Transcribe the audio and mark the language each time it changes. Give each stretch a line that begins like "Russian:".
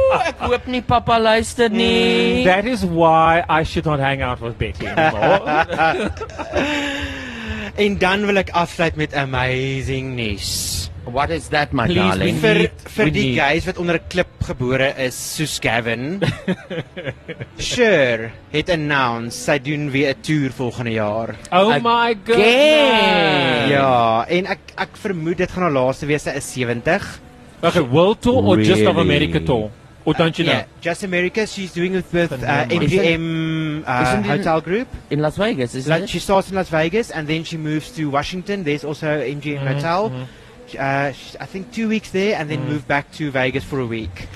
Afrikaans: Ek hoop nie papa luister nie.
English: That is why I should not hang out with Betty anymore.
Afrikaans: En dan wil ek afsluit met amazing news.
English: What is that, my please, darling?
Afrikaans: Please, vir die guys wat onder 'n klip gebore is, soos Gavin, sure, het announced, sy doen weer 'n tour volgende jaar.
English: Oh again. My goodness!
Afrikaans: Ja, en ek vermoed dit gaan haar laaste wees, sy is 70.
English: Okay, world tour or really? Just of America tour? Or don't you know? Yeah, Just America, she's doing it with MGM Hotel Group. In Las Vegas, isn't it? She starts in Las Vegas, and then she moves to Washington, there's also MGM Hotel. Mm-hmm. I think 2 weeks there and then moved back to Vegas for a week.